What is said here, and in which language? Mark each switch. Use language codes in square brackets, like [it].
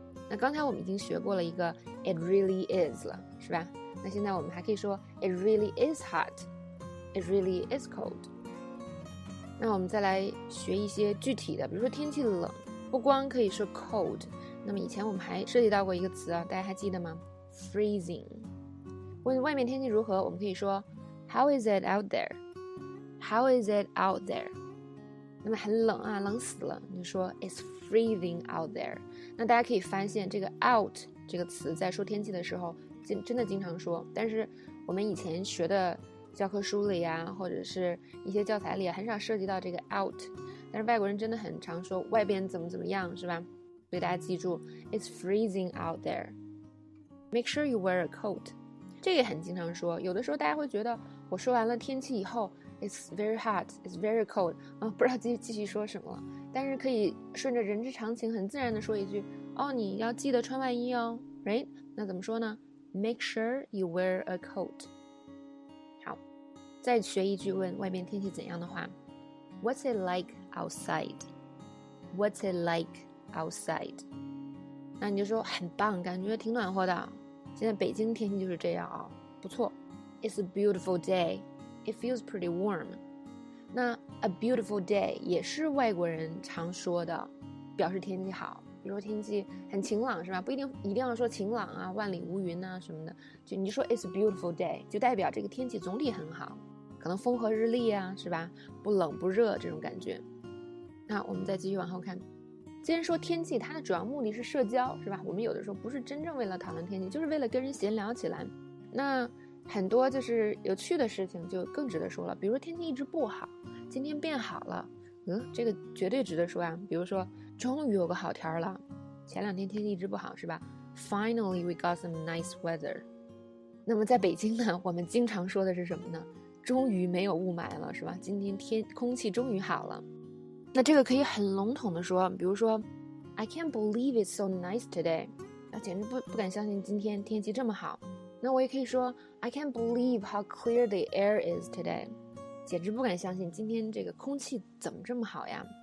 [zh] 那刚才我们已经学过了一个 [en] It really is [zh] 了，是吧？那现在我们还可以说 [en] It really is hot, It really is cold. [zh] 那我们再来学一些具体的，比如说天气冷，不光可以说 cold， 那么以前我们还涉及到过一个词啊，大家还记得吗？freezing。问外面天气如何，我们可以说 [en] How is it out there? How is it out there? [zh] 那么很冷啊，冷死了，你就说 [en] It's freezing out there。 [zh] 那大家可以发现这个 out 这个词在说天气的时候真的经常说，但是我们以前学的教科书里啊，或者是一些教材里，很少涉及到这个 out， 但是外国人真的很常说外边怎么怎么样，是吧？所以大家记住 [en] ，it's freezing out there. Make sure you wear a coat. [zh] 这个很经常说，有的时候大家会觉得我说完了天气以后 ， [en] it's very hot, it's very cold， [zh] 不知道继续说什么了。但是可以顺着人之常情，很自然的说一句，哦，你要记得穿外衣哦 ，right？那怎么说呢 ？ [en] Make sure you wear a coat. [zh] 再学一句问外面天气怎样的话 [en] What's it like outside? What's it like outside? [zh] 那你就说很棒，感觉挺暖和的，现在北京天气就是这样啊，不错。 [en] It's a beautiful day. It feels pretty warm. [zh] 那 a beautiful day 也是外国人常说的表示天气好，比如说天气很晴朗，是吧？不一定一定要说晴朗啊，万里无云啊什么的，就你说 [en] It's a beautiful day [zh] 就代表这个天气总体很好，可能风和日丽啊，是吧？不冷不热这种感觉。那我们再继续往后看，既然说天气它的主要目的是社交，是吧？我们有的时候不是真正为了讨论天气，就是为了跟人闲聊起来。那很多就是有趣的事情就更值得说了，比如说天气一直不好，今天变好了，这个绝对值得说啊。比如说终于有个好天了，前两天天气一直不好，是吧？ [en] Finally we got some nice weather。 [zh] 那么在北京呢，我们经常说的是什么呢？终于没有雾霾了，是吧？今天天空气终于好了。那这个可以很笼统的说，比如说 [en] I can't believe it's so nice today， [zh] 我简直 不敢相信今天天气这么好。那我也可以说 [en] I can't believe how clear the air is today， [zh] 简直不敢相信今天这个空气怎么这么好呀。